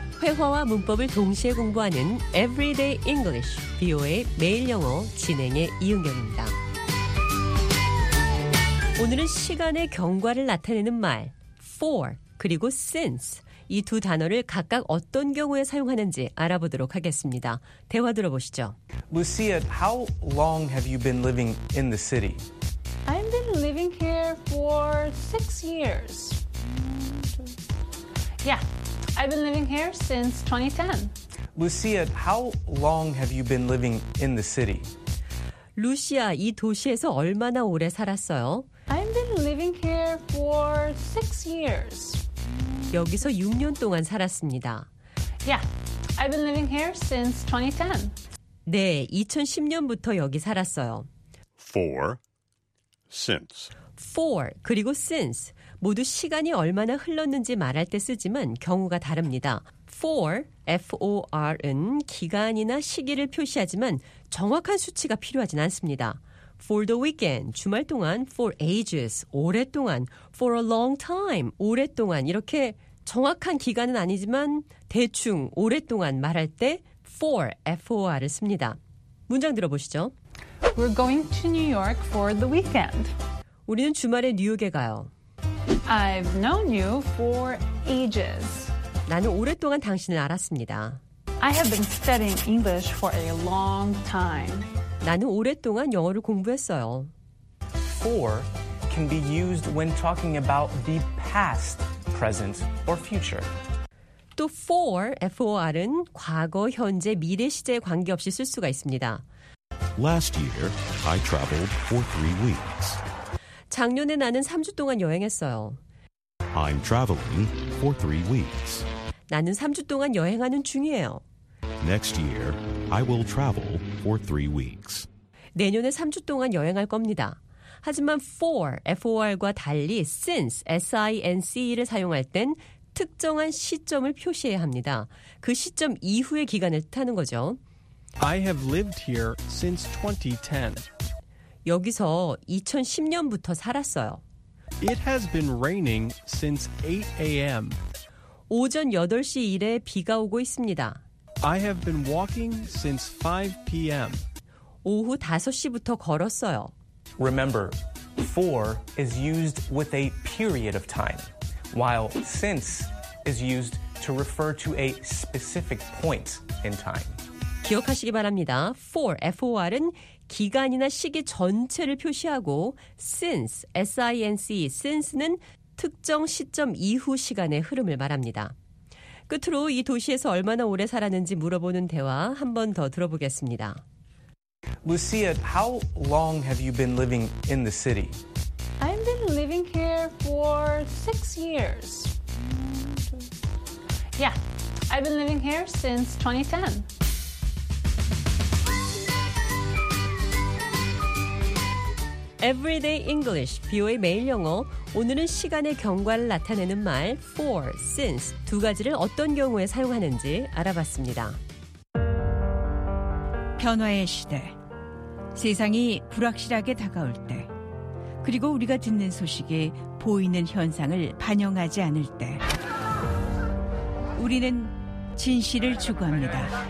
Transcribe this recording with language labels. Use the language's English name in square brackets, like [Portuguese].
[Korean] 회화와 문법을 동시에 공부하는 Everyday English, VOA 매일 영어 진행의 이은경입니다. 오늘은 시간의 경과를 나타내는 말, for 그리고 since 이 두 단어를 각각 어떤 경우에 사용하는지 알아보도록 하겠습니다. 대화 들어보시죠. [English] Lucia, how long have you been living in the city? I've been living here for 6 years. Yeah. I've been living here since 2010. Lucia, how long have you been living in the city? [Korean] Lucia, 이 도시에서 얼마나 오래 살았어요? [English] I've been living here for 6 years. [Korean] 여기서 6년 동안 살았습니다. [English] Yeah, I've been living here since 2010. [Korean] 네, 2010년부터 여기 살았어요. [English] For, since. [Korean] For, 그리고 since. 모두 시간이 얼마나 흘렀는지 말할 때 쓰지만 경우가 다릅니다. For, F-O-R은 기간이나 시기를 표시하지만 정확한 수치가 필요하진 않습니다. [English] For the weekend, [Korean] 주말 동안, [English] for ages, [Korean] 오랫동안, [English] for a long time, [Korean] 오랫동안 이렇게 정확한 기간은 아니지만 대충 오랫동안 말할 때 for, F-O-R을 씁니다. 문장 들어보시죠. [English] We're going to New York for the weekend. [Korean] 우리는 주말에 뉴욕에 가요. [English] I've known you for ages. [Korean] 나는 오랫동안 당신을 알았습니다. [English] I have been studying English for a long time. [Korean] 나는 오랫동안 영어를 공부했어요. [English] For can be used when talking about the past, present, or future. [Korean] 또 for, F-O-R은 과거, 현재, 미래 시제에 관계없이 쓸 수가 있습니다. [English] Last year, I traveled for 3 weeks. [Korean] 작년에 나는 3주 동안 여행했어요. [English] I'm traveling for 3 weeks. [Korean] 나는 3주 동안 여행하는 중이에요. [English] Next year, I will travel for 3 weeks. [Korean] 내년에 3주 동안 여행할 겁니다. 하지만 for, F-O-R과 달리 since, S-I-N-C-E를 사용할 땐 특정한 시점을 표시해야 합니다. 그 시점 이후의 기간을 뜻하는 거죠. [English] I have lived here since 2010. [Korean] 여기서 2010년부터 살았어요. [English] It has been raining since 8 a.m. [Korean] 오전 8시 이래 비가 오고 있습니다. [English] I have been walking since 5 p.m. [Korean] 오후 5시부터 걸었어요. [English] Remember, for is used with a period of time, while since is used to refer to a specific point in time. [Korean] 기억하시기 바랍니다. For, F-O-R은 기간이나 시기 전체를 표시하고 since, S-I-N-C-E, since는 특정 시점 이후 시간의 흐름을 말합니다. 끝으로 이 도시에서 얼마나 오래 살았는지 물어보는 대화 한 번 더 들어보겠습니다. [English] Lucia, how long have you been living in the city? I've been living here for 6 years. Yeah, I've been living here since 2010. [Korean] 에브리데이 잉글리시 비오의 매일 영어. 오늘은 시간의 경과를 나타내는 말 for, since 두 가지를 어떤 경우에 사용하는지 알아봤습니다. 변화의 시대, 세상이 불확실하게 다가올 때, 그리고 우리가 듣는 소식이 보이는 현상을 반영하지 않을 때 우리는 진실을 추구합니다.